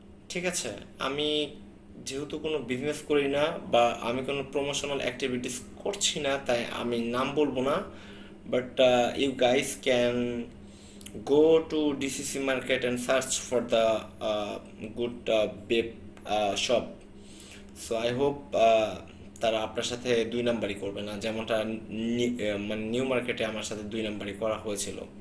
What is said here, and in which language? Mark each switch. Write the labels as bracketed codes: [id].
[bn] ঠিক আছে, আমি যেহেতু কোনো বিজনেস করি না বা আমি কোনো প্রমোশনাল অ্যাক্টিভিটিস করছি না, তাই আমি নাম বলবো না, [en] But you guys can go to DCC market and search for the good vape shop. So I hope [bn] তারা আপনার সাথে দুই নাম্বারই করবে না, যেমনটা মানে নিউ মার্কেটে আমার সাথে দুই নাম্বারই করা হয়েছিল।